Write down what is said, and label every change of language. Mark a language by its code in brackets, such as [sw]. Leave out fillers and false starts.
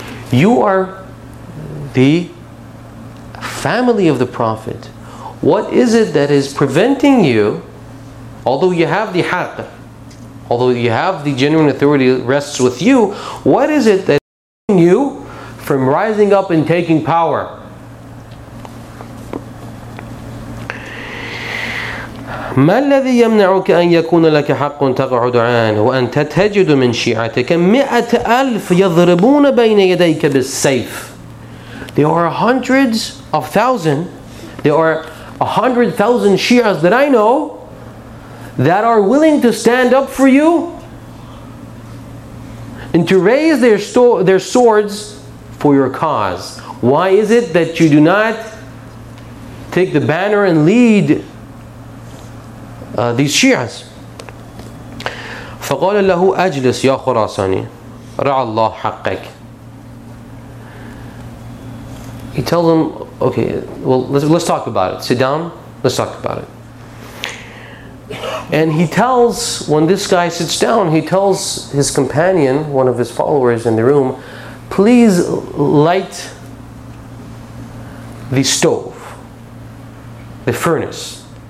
[en] You are the family of the Prophet. What is it that is preventing you, although you have the haqq, although you have the genuine authority rests with you, what is it that is preventing you from rising up and taking power? [ar] ما الذي يمنعك أن يكون لك حق تقعد عنه وأن تتجد من شيعتك 100,000 يضربون بين يديك بالسيف. [en] There are hundreds of thousands. There are 100,000 Shias that I know that are willing to stand up for you and to raise their swords for your cause. Why is it that you do not take the banner and lead these Shias? [ar] فقال له أجلس يا خراساني رعى الله حقك. [en] He tells him, okay, well, let's talk about it. Sit down, let's talk about it. And he tells, when this guy sits down, he tells his companion, one of his followers in the room, please light the stove, the furnace.